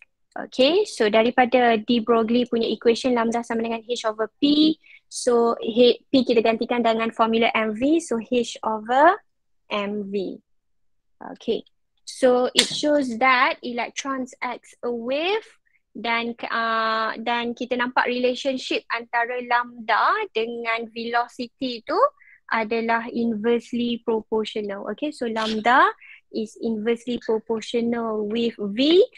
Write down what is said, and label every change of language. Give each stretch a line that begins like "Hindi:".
Malay: Okay, so daripada de Broglie punya equation lambda sama dengan
English: h over p,
Malay: so p kita gantikan dengan formula mv, so
English: h over mv. Okay, so it shows that electrons acts a wave.
Malay: Dan kita nampak relationship antara lambda dengan velocity itu adalah
English: inversely proportional. Okay, so lambda is inversely proportional with V.